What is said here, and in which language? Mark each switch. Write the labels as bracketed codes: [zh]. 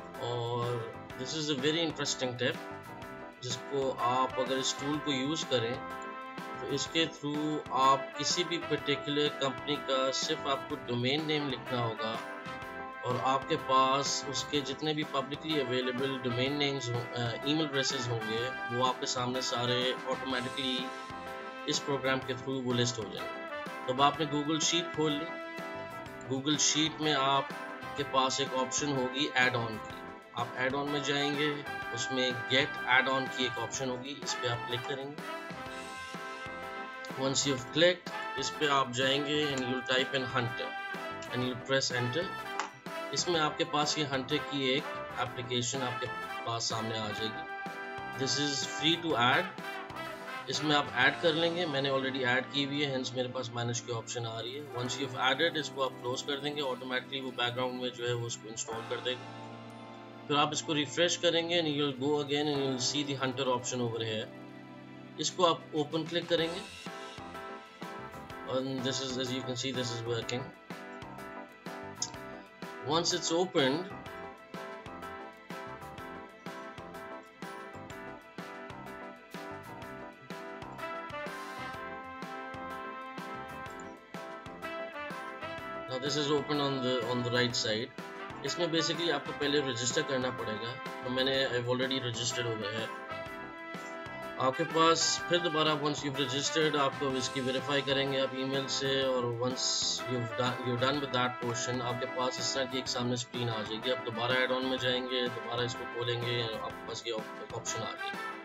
[hi] Aur [en] this is a very interesting tip [hi] jisko aap agar is tool ko use kare तो इसके through आप किसी भी particular company का सिर्फ आपको डोमेन नेम लिखना होगा और आपके पास उसके जितने भी publicly available domain names email addresses होंगे वो आपके सामने सारे ऑटोमेटिकली इस प्रोग्राम के थ्रू वो लिस्ट हो जाएंगे। तो अब आपने गूगल शीट खोल ली, गूगल शीट में आपके पास एक ऑप्शन होगी एड ऑन की। आप एड ऑन में जाएंगे, उसमें गेट एड ऑन की एक ऑप्शन होगी, इस पर आप क्लिक करेंगे। [en] Once you've clicked, [hi] इस पे आप जाएंगे [en] and you'll type in Hunter and you'll press Enter. [hi] इसमें आपके पास ये Hunter की एक application आपके पास सामने आ जाएगी. [en] This is free to add. [hi] इसमें आप add कर लेंगे. मैंने already add की हुई है, hence मेरे पास manage की option आ रही है. [en] Once you've added, [hi] इसको आप close कर देंगे. Automatically वो background में जो है वो उसको install कर देगा. फिर आप इसको refresh करेंगे [en] and you'll go again and you'll see the Hunter option over here. [hi] इसको आप open click करेंगे. [en] And this is, as you can see, this is working. Once it's opened, now this is open on the right side. [hi] इसमें basically आपको पहले register करना पड़ेगा. तो मैंने [en] I've already registered over here. [hi] आपके पास फिर दोबारा [en] once you registered [hi] आपको इसकी वेरीफाई करेंगे आप ईमेल से और [en] once you done with that portion [hi] आपके पास इस तरह की एक सामने स्क्रीन आ जाएगी. आप दोबारा एड ऑन में जाएंगे, दोबारा इसको खोलेंगे, आपके पास ये ऑप्शन आ गई.